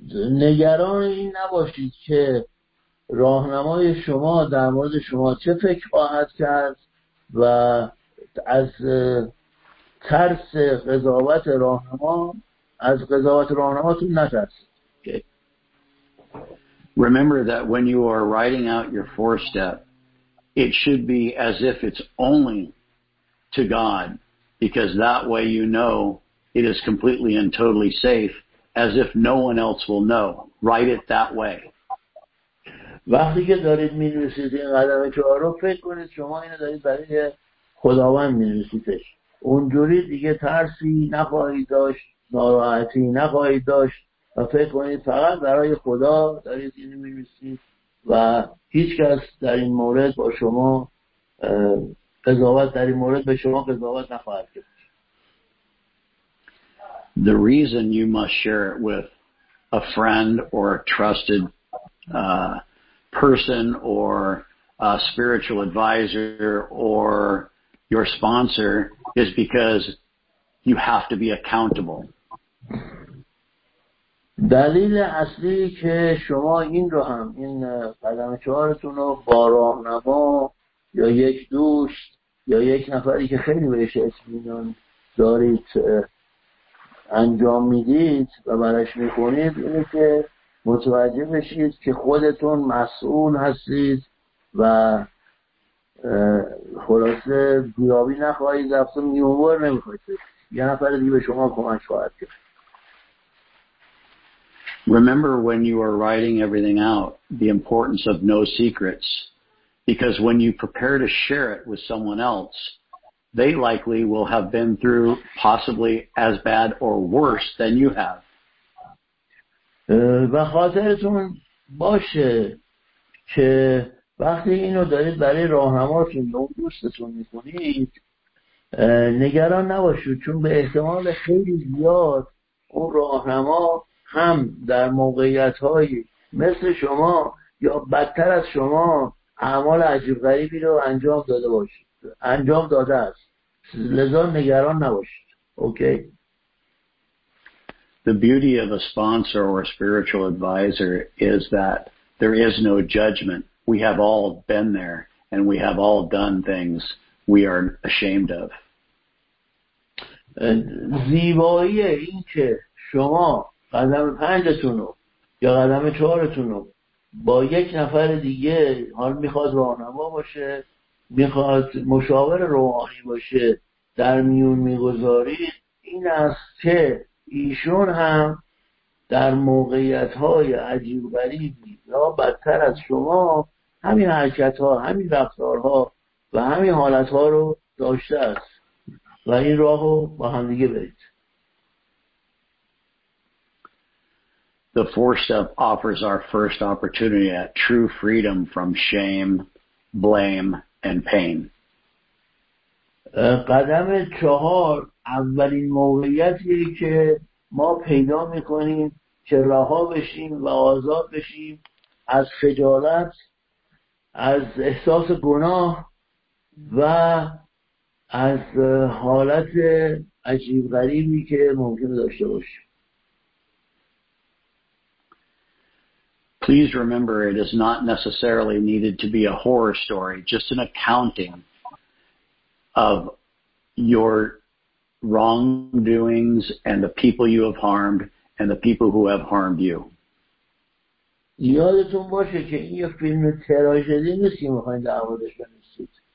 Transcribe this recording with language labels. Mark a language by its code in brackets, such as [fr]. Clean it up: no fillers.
[fa] نگران این نباشید که راهنمای شما در مورد شما چه فکر خواهد کرد و از ترس قضاوت راهنما از قضاوت راهنماتون نترسید. [en] Remember that when you are writing out your four step, it should be as if it's only to God, because that way you know it is completely and totally safe, as if no one else will know. Write it that way. [fa] وقتی که دارید می‌نویسید این قدم چهار رو فکر کنید شما اینو دارید برای خداوند می‌نویسیدش. اونجوری دیگه ترسی نخواهید داشت، ناراحتی نخواهید داشت و فکر کنید فقط برای خدا دارید اینو می‌نویسید و هیچ کس در این مورد با شما قضاوت در این مورد به شما قضاوت نخواهد کرد. [en] The reason you must share it with a friend or a trusted person or a spiritual advisor or your sponsor is because you have to be accountable. [fa] دلیل اصلی که شما این رو هم این قدم چهارتون رو با راهنما یا یک دوست یا یک نفری که خیلی بهش اطمینان دارید انجام میدید و برش میکنید اینه که متوجه بشید که خودتون مسئول هستید و خلاصه بیابی نخواهید رفتون نیومور نمیخواهید یه نفر دیگه به شما کمک خواهد کرد. [en] Remember when you are writing everything out, the importance of no secrets, because when you prepare to share it with someone else, they likely will have been through possibly as bad or worse than you have. [fa] و خاطرتون باشه که وقتی اینو دارید برای راهنماتون و دوستتون میکنید نگران نباشید چون به احتمال خیلی زیاد اون راهنما هم در موقعیت‌هایی مثل شما یا بدتر از شما اعمال عجیب غریبی رو انجام داده باشید انجام داده است لذا نگران نباشید. اوکی. [en] The beauty of a sponsor or a spiritual advisor is that there is no judgment. We have all been there and we have all done things we are ashamed of. [fa] زیبایی این که شما قدم پنجتون رو یا قدم چهارتون رو با یک نفر دیگه حال میخواد راهنما باشه میخواد مشاور روحانی باشه در میون میگذارید این است که ایشون هم در موقعیت های عجیب غریبی یا بدتر از شما همین حرکت ها همین رفتارها و همین حالت ها رو داشته است و این راه رو با هم دیگه برید. [en] The fourth step offers our first opportunity at true freedom from shame, blame, and pain. [fa] قدم چهار اولین موقعیتی که ما پیدا میکنیم که رها بشیم و آزاد بشیم از خجالت، از احساس گناه و از حالت عجیب غریبی که ممکن داشته باشیم. [en] Please remember it is not necessarily needed to be a horror story, just an accounting of your wrongdoings and the people you have harmed and the people who have harmed you. [fa] یادتون باشه که این یه فیلم تراژدی نیست که میخواید در موردش بنویسید.